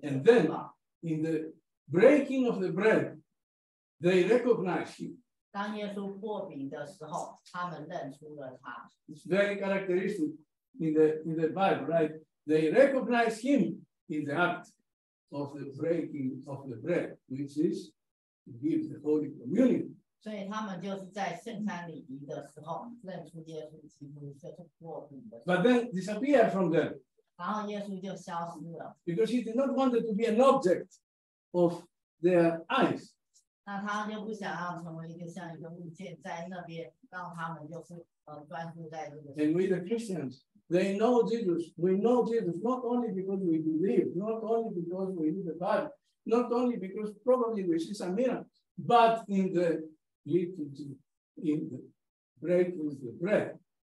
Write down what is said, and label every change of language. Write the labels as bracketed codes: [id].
[en] And then, in the breaking of the bread, they recognized him. [zh] 当耶稣破饼的时候，他们认出了他。 [en] It's very characteristic in the Bible, right? They recognized him in the act of the breaking of the bread, which is give the Holy Communion. [zh] 所以他们就是在圣餐礼仪的时候认出耶稣基督，就是过饼的。 [en] But then disappear from them. [zh] 然后耶稣就消失了。 [en] Because he did not want to be an object of their eyes. [zh] 那他就不想要成为一个像一个物件在那边，让他们就是专注在这个。 [en] And we the Christians, they know Jesus. We know Jesus not only because we believe, not only because we read the Bible, not only because probably we see some miracles, but in the liturgy, in the bread with the bread.